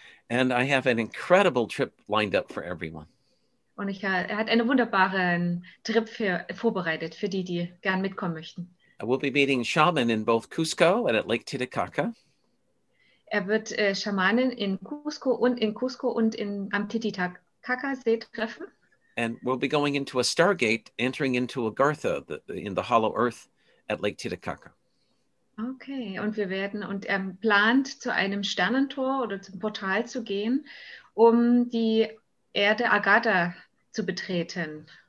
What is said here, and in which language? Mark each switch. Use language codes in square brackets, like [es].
[en] And I have an incredible trip lined up for everyone. [de] Und er hat einen wunderbaren Trip vorbereitet für die, die gern mitkommen möchten. [en] I will be meeting shaman in both Cusco and at Lake Titicaca. [de] Er wird Schamanen in Cusco und am Titicaca See treffen. [en] And we'll be going into a stargate, entering into Agartha in the hollow earth at Lake Titicaca. [de] Okay, und er plant, zu einem Sternentor oder zum Portal zu gehen, um die Erde Agartha zu betreten.